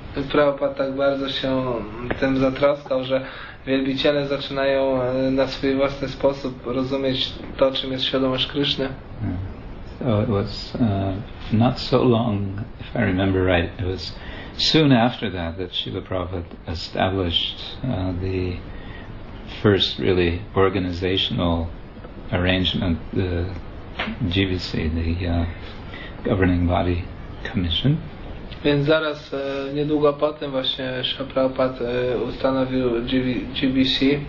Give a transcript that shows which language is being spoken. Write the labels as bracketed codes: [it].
[pl] Prabhupada tak bardzo się tym zatroskał, że wielbiciele zaczynają na swój własny sposób rozumieć to, czym jest świadomość Kryszny. [en] So it was not so long, if I remember right, it was soon after that that Srila Prabhupada established the first really organizational arrangement, the GBC, the governing body commission. [pl] Więc zaraz, niedługo potem właśnie Srila Prabhupada ustanowił GBC.